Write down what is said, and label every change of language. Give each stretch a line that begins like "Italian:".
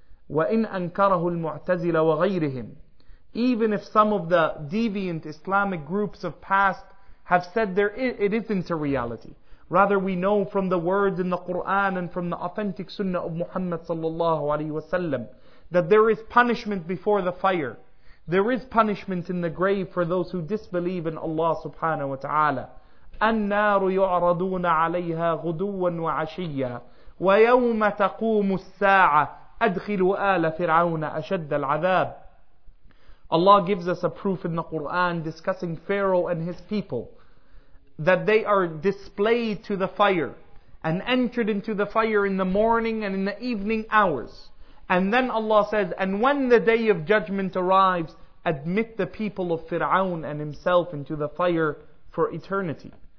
Arabic: وَإِنْ أَنْكَرَهُ الْمُعْتَزِلَ وَغَيْرِهِمْ,
English: even if some of the deviant Islamic groups of past have said there it isn't a reality. Rather, we know from the words in the Qur'an and from the authentic sunnah of Muhammad sallallahu alayhi wasallam that there is punishment before the fire. There is punishment in the grave for those who disbelieve in Allah subhanahu wa ta'ala.
Arabic: النار يعرضون عليها غدوا وعشيا ويوم تقوم الساعة أدخلوا آل فرعون أشد العذاب.
English: Allah gives us a proof in the Quran discussing Pharaoh and his people, that they are displayed to the fire and entered into the fire in the morning and in the evening hours. And then Allah says, and when the day of judgment arrives, admit the people of Fir'aun and himself into the fire for eternity.